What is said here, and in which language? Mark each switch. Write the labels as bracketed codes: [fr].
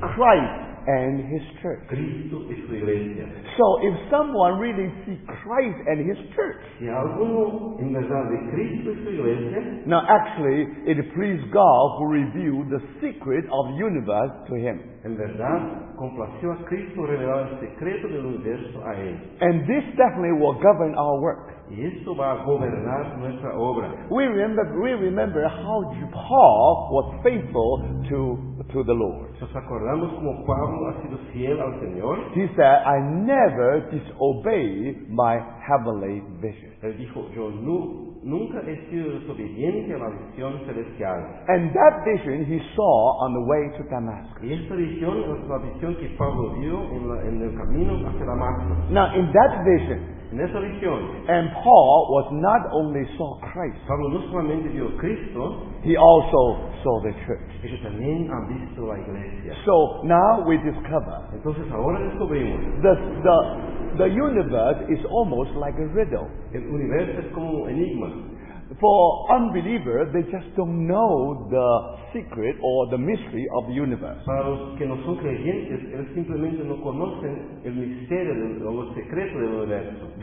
[en] Christ and his church. So if someone really sees Christ and his church, now actually it pleased God who revealed the secret of the universe to him. And this definitely will govern our work. [es] Y esto va a gobernar nuestra obra. [en] We remember how Paul was faithful to the Lord. [es] Nos acordamos como Pablo ha sido fiel al Señor. [en] He said, "I never disobey my heavenly vision." [es] Él dijo, "Yo nunca he sido desobediente a la visión celestial." [en] And that vision he saw on the way to Damascus. [es] Y esta visión es la visión que Pablo vio en el camino hacia Damasco. [en] Now in that vision. [es] Visión, [en] and Paul was not only saw Christ. [es] Pablo no solamente vio Cristo, [en] he also saw the church. [es] Ellos también han visto la iglesia. [en] So now we discover. [es] Entonces ahora descubrimos. [en] The universe is almost like a riddle. [es] El universo es como un enigma. [en] For unbelievers, they just don't know the secret or the mystery of the universe. [es] Para los que no son creyentes, ellos simplemente no conocen el misterio o los secretos del universo.